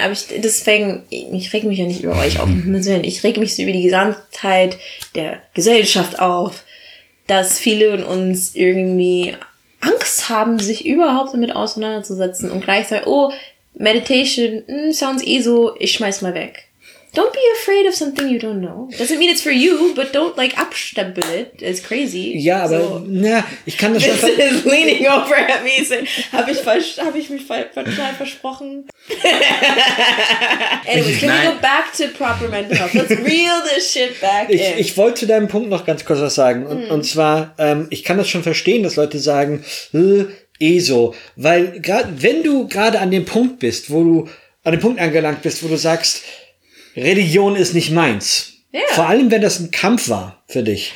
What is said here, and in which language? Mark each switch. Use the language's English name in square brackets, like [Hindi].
[German] Aber ich reg mich ja nicht über euch auf, um Himmels Willen. Ich reg mich so über die Gesamtheit der Gesellschaft auf, dass viele von uns irgendwie Angst haben, sich überhaupt damit auseinanderzusetzen und gleichzeitig, oh, Meditation, [English] sounds [German] ESO, ich schmeiß mal weg. [English] Don't be afraid of something you don't know. Doesn't mean it's for you, but don't, like, abstempel it. It's crazy. [German] Ja, aber, so. Na, ich kann das schon. [English] This is leaning over at me. [German] Hab ich mich total versprochen. [English] Anyways, can we go back to proper mental health? Let's reel this shit back in. [German] Ich wollte zu deinem Punkt noch ganz kurz was sagen. Und zwar, ich kann das schon verstehen, dass Leute sagen, ESO. Weil, wenn du gerade an dem Punkt bist, wo du sagst, Religion ist nicht meins. [English] Yeah. [German] Vor allem, wenn das ein Kampf war für dich.